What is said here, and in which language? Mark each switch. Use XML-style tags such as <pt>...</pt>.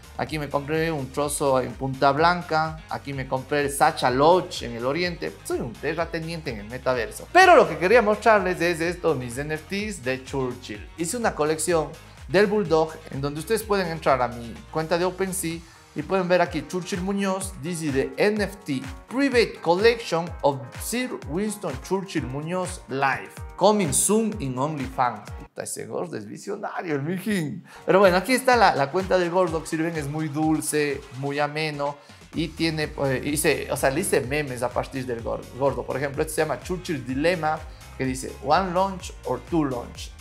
<es>Aquí me compré un trozo en Punta Blanca. Aquí me compré el Sacha Lodge en el Oriente. Soy un terrateniente en el metaverso. Pero lo que quería mostrarles es esto, mis NFTs de Churchill. Hice una colección del Bulldog en donde ustedes pueden entrar a mi cuenta de OpenSea y pueden ver aquí Churchill Muñoz.</es> <en>This is the NFT Private Collection of Sir Winston Churchill Muñoz Live. Coming soon in OnlyFans.</en> <es>Puta, ese gordo es visionario, el mijín. Pero bueno, aquí está la cuenta del gordo. Si ven, es muy dulce, muy ameno. Y tiene, le hice memes a partir del gordo. Por ejemplo, este se llama Churchill Dilemma, que dice,</es> <en>one lunch or two lunch?</en>